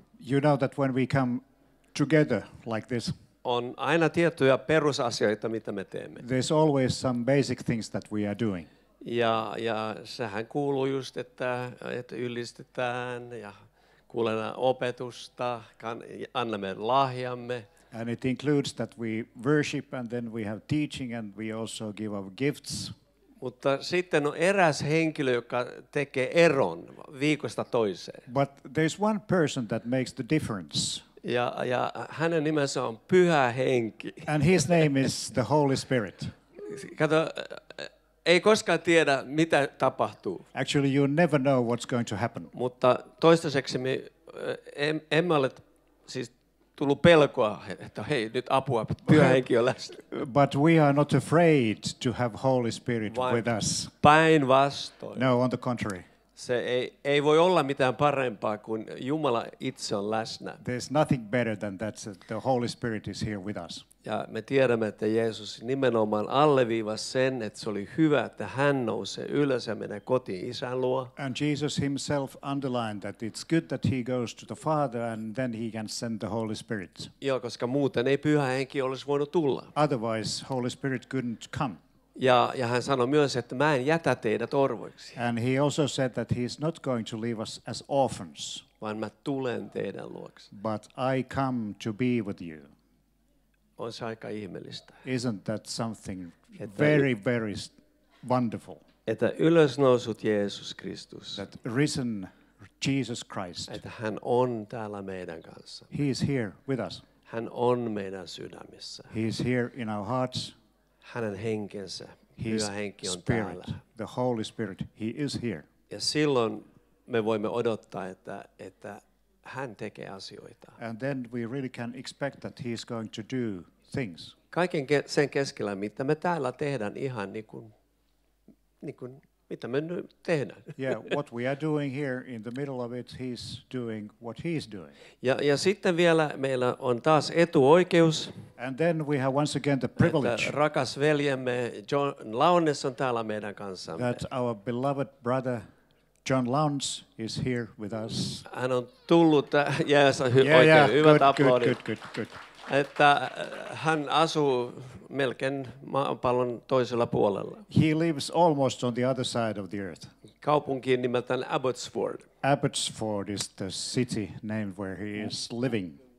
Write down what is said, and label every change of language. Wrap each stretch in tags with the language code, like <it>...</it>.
<en>You know that when we come together like this.</en> <fi>On aina tiettyjä perusasioita, mitä me teemme.</fi> <en>There's always some basic things that we are doing.</en> <fi>Ja sehän kuuluu just, että ylistetään ja kuulemme opetusta, annamme lahjamme.</fi> <en>And it includes that we worship and then we have teaching and we also give our gifts.</en> <fi>Mutta sitten on eräs henkilö, joka tekee eron viikosta toiseen.</fi> <en>But there's one person that makes the difference.</en> <fi>Ja hänen nimensä on Pyhä Henki.</fi> <en>And his name is the Holy Spirit.</en> <fi>Kato, ei koskaan tiedä, mitä tapahtuu.</fi> <en>Actually, you never know what's going to happen.</en> <fi>Mutta toistaiseksi me emme ole siis tullut pelkoa, että hei, nyt apua, Pyhä Henki on läsnä.</fi> <en>But we are not afraid to have Holy Spirit with us.</en> <fi>Päinvastoin.</fi> <en>No, on the contrary.</en> <fi>Se ei voi olla mitään parempaa, kun Jumala itse on läsnä.</fi> <en>There's nothing better than that the Holy Spirit is here with us.</en> <fi>Ja me tiedämme, että Jeesus nimenomaan alleviivasi sen, että se oli hyvä, että hän nousee ylös ja menee kotiin isän luo.</fi> <en>And Jesus himself underlined that it's good that he goes to the Father and then he can send the Holy Spirit.</en> <fi>Joo, koska muuten ei Pyhä Henki olisi voinut tulla.</fi> <en>Otherwise Holy Spirit couldn't come.</en> <fi>Ja hän sanoi myös, että mä en jätä teidät orvoiksi.</fi> <en>And he also said that he's not going to leave us as orphans.</en> <fi>Vaan mä tulen teidän luoksi.</fi> <en>But I come to be with you.</en> <fi>On se aika ihmeellistä.</fi> <en>Isn't that something very wonderful?</en> <fi>Että ylösnousut Jeesus Kristus.</fi> <en>That risen Jesus Christ.</en> <fi>Että hän on täällä meidän kanssa.</fi> <en>He is here with us.</en> <fi>Hän on meidän sydämissä.</fi> <en>He is here in our hearts.</en> <fi>Hänen henkensä, Pyhä Henki on täällä.</fi> <en>The Holy Spirit, he is here.</en> <fi>Ja silloin me voimme odottaa, että hän tekee asioita.</fi> <en>And then we really can expect that he is going to do things.</en> <fi>Kaiken sen keskellä, mitä me täällä tehdään ihan niin kuin mitä me nyt tehdään.</fi> <en>Yeah, what we are doing here in the middle of it, he's doing what he's doing.</en> <fi>Ja sitten vielä meillä on taas etuoikeus.</fi> <en>And then we have once again the privilege.</en> <fi>Että rakas veljemme John Launes on täällä meidän kanssamme.</fi> <en>That our beloved brother John Launes is here with us.</en> <fi>Hän on tullut tähän. Yes, hyvät aplodit.</fi> <en>Good.</en> <fi>Että hän asuu melkein maapallon toisella puolella.</fi> <en>He lives almost on the other side of the earth.</en> <fi>Kaupunkiin nimeltään Abbotsford.</fi> <en>Abbotsford is the city name where he is living.</en>